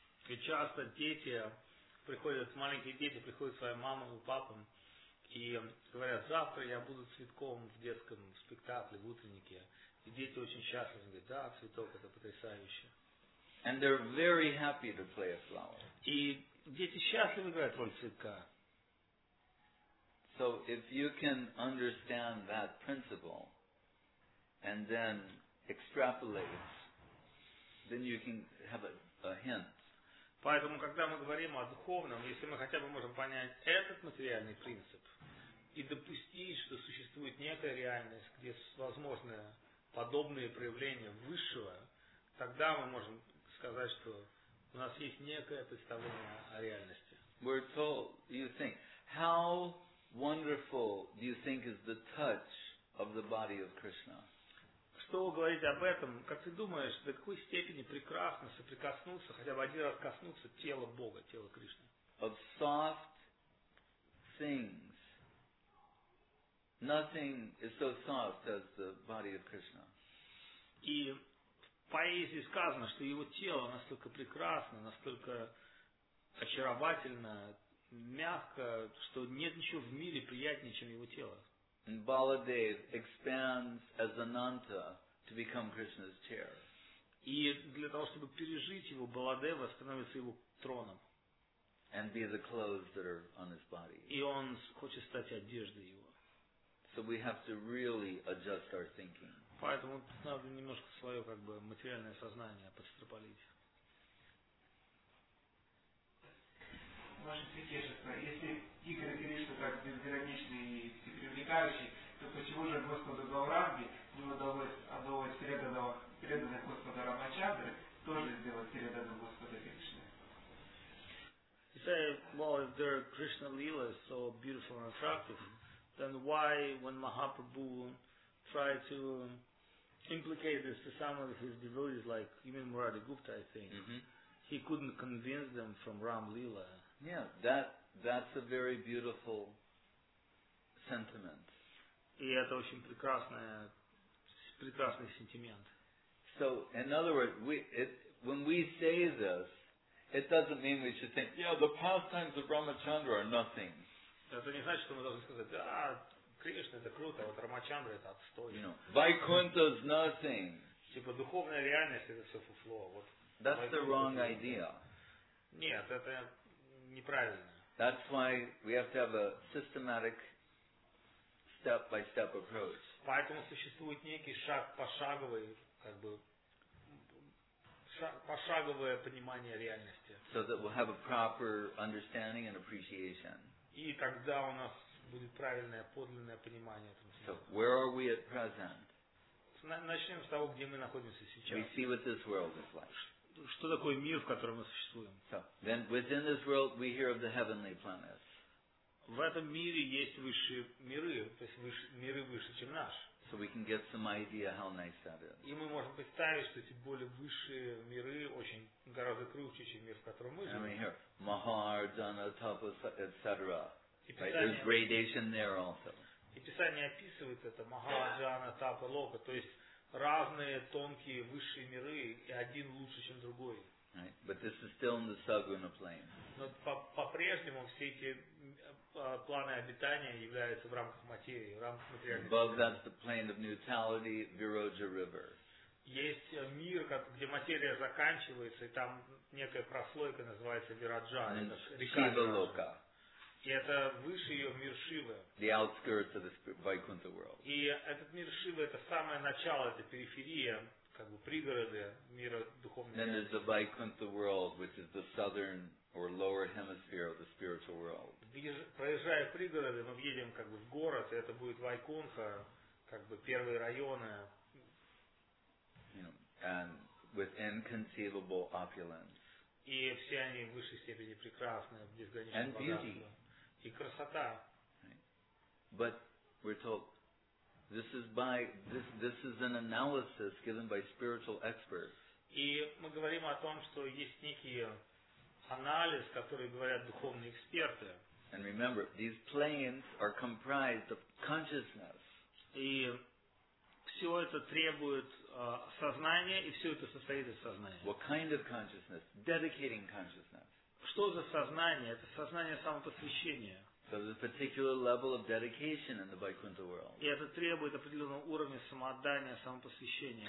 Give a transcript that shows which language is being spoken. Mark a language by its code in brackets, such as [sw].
[ru] И часто дети приходят, маленькие дети приходят к своим мамам и папам и говорят, завтра я буду цветком в детском спектакле, в утреннике. И дети очень счастливы, говорят, да, цветок, это потрясающе. [en] And they're very happy to play a flower. [ru] И дети счастливы играют роль цветка. [en] So if you can understand that principle and then extrapolate it, then you can have a hint. [ru] Поэтому, когда мы говорим о духовном, если мы хотя бы можем понять этот материальный принцип и допустить, что существует некая реальность, где возможны подобные проявления высшего, тогда мы можем сказать, что у нас есть некое представление о реальности. [en] We're told, you think, how wonderful do you think is the touch of the body of Krishna? [ru] Что говорить об этом? Как ты думаешь, до какой степени прекрасно соприкоснуться, хотя бы один раз коснуться тела Бога, тела Кришны? [en] Of soft things. Nothing is so soft as the body of Krishna. [ru] И в поэзии сказано, что его тело настолько прекрасно, настолько очаровательно, мягко, что нет ничего в мире приятнее, чем его тело. [en] And Baladev expands as Ananta to become Krishna's chair. [ru] И для того, чтобы пережить его, Баладева становится его троном. [en] And be the clothes that are on his body. [ru] И он хочет стать одеждой его. [en] So we have to really adjust our thinking. [ru] Поэтому тут надо немножко свое как бы материальное сознание подстрополить. Ваше святейшество, если игры Кришны так безграничны и всепривлекающие, то почему же Господу Гаурамге не удалось одолеть преданных Господа Рамачандры, тоже сделать преданным Господа Кришны? [en] You say, well, if their Krishna Lila is so beautiful and attractive, then why, when Mahaprabhu tried to implicate this to some of his devotees, like even Murari Gupta, I think, he couldn't convince them from Ram Lila? Yeah, that's a very beautiful sentiment. [ru] И это очень прекрасный сентимент. [en] So, in other words, when we say this, it doesn't mean we should think, yeah, the pastimes of Ramachandra are nothing. [ru] Это не значит, что мы должны сказать, да, Кришна это круто, а вот Рамачандра это отстой. [en] You know, Vaikuntha is nothing. [ru] Типа духовная реальность это все фуфло. Вот. [en] That's the wrong idea. [ru] Нет, это неправильно. [en] That's why we have to have a systematic step-by-step approach. [ru] Поэтому существует некий шаг пошаговый, как бы пошаговое понимание реальности. [en] So that we'll have a proper understanding and appreciation. [ru] И тогда у нас будет правильное, подлинное понимание. [en] So, where are we at present? [ru] Начнем с того, где мы находимся сейчас. [en] We see what this world is like. [ru] Что такое мир, в котором мы существуем? [en] So, then within this world we hear of the heavenly planets. [ru] В этом мире есть высшие миры, то есть миры выше, чем наш. [en] So we can get some idea how nice that is. [ru] И мы можем представить, что эти более высшие миры очень гораздо круче, чем мир, в котором мы живем. [en] And we hear Mahar, Dana, Tapas, etc. Right? There's gradation there also. [ru] И Писание описывает это Махара, Джана, Тапа, Лока, то есть разные тонкие высшие миры, и один лучше, чем другой. [en] Right. But this is still in the Saguna plane. [ru] Но по-прежнему все эти планы обитания являются в рамках материи, в рамках материальности. [en] Above that is the plane of neutrality, Viroja River. [ru] Есть мир, где материя заканчивается, и там некая прослойка называется Вираджа, Шива Лока. И это выше ее мир Шивы. [en] The outskirts of the Vaikuntha world. [ru] И этот мир Шивы это самое начало, это периферия, как бы пригороды мира духовного. [en] Then there's the Vaikuntha world, which is the southern or lower hemisphere of the spiritual world. [ru] Проезжая пригороды, мы едем как бы в город, и это будет Вайкунха, как бы первые районы. [en] You know, and with inconceivable opulence. [ru] И все они в высшей степени прекрасны, безграничные [en] and beauty. [ru] И красота. [en] But we're told this is an analysis given by spiritual experts. [ru] И мы говорим о том, что есть некий анализ, который говорят духовные эксперты. [en] And remember, these planes are comprised of consciousness. [ru] И все это требует сознания, и все это состоит из сознания. [en] What kind of consciousness? Dedicating consciousness. [ru] Что за сознание? Это сознание самопосвящения. [en] So there's a particular level of dedication in the Vaikuntha world. [ru] И это требует определенного уровня самоотдания, самопосвящения.